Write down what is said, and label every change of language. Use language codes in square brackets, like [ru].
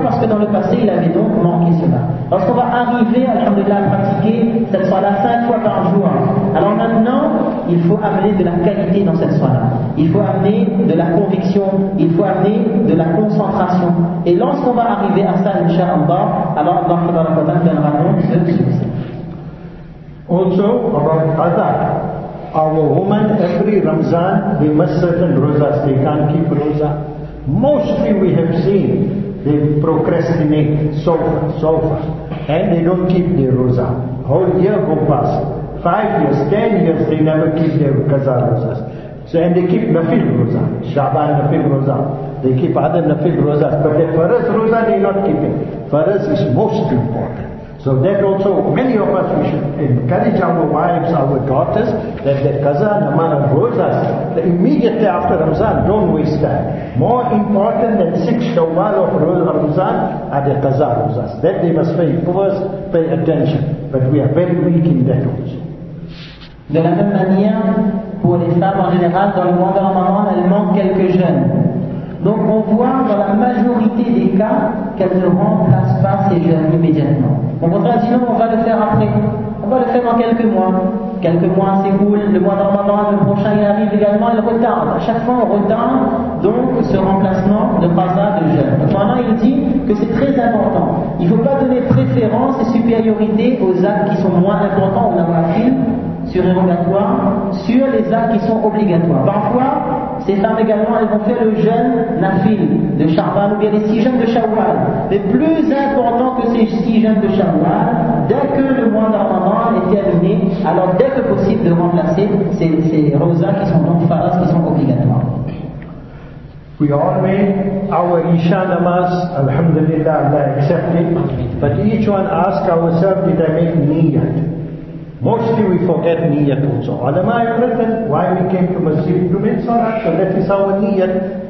[fr] Parce que dans le passé, il avait donc manqué cela. Lorsqu'on va arriver, alhamdulillah, à pratiquer cette soirée 5 fois par jour, alors maintenant, il faut amener de la qualité dans cette soirée. Il faut amener de la conviction, il faut amener de la concentration. Et lorsqu'on va arriver à ça, inshallah, alors Allah donnera nous ce succès. [en] Also, about adhan. Our woman, every Ramzan, they must certain rozas, they can't keep roza. Mostly we have seen, they procrastinate so far, and they don't keep their roza. Whole year go past, 5 years, 10 years, they never keep their qaza rozas. So, and they keep nafil roza, Shaban nafil roza. They keep other nafil rozas, but the faraz roza they not keeping. Faraz is most important. So that also, many of us, we should encourage our wives, our daughters, that the qaza namaz of rozas, the immediately after Ramzan, don't waste time. More important than 6 shawwal of Ramzan are the qaza rozas. That they must pay first, pay attention. But we are very weak in that also. [fr] De la même manière, pour les femmes en général, dans le mois de Ramadan, elles manquent quelques jeûnes. Donc on voit dans la majorité des cas qu'elles ne remplacent pas ces jeûnes immédiatement. Au contraire, sinon on va le faire après. On va le faire dans quelques mois. Quelques mois s'écoulent, le mois de Ramadan, le prochain il arrive également, il retarde. À chaque fois on retarde donc ce remplacement de qaza de jeûne. Donc maintenant il dit que c'est très important. Il ne faut pas donner préférence et supériorité aux actes qui sont moins importants ou nawafil, surérogatoires, sur les actes qui sont obligatoires. Parfois, ces femmes également, elles vont faire le jeûne nafil de Shaban ou bien les 6 jeûnes de Shawwal. Mais plus important que ces 6 jeûnes de Shawwal, dès que le mois de Ramadan est terminé, alors dès que possible de remplacer ces rosas qui sont donc faras, qui sont obligatoires. [en] We all made our Isha namaz, alhamdulillah, Allah accepted. But each one asks ourselves, did I make niyyat? Mostly we forget niyat also. Alama have written why we came to Masjid to make salah, so that is our niyat.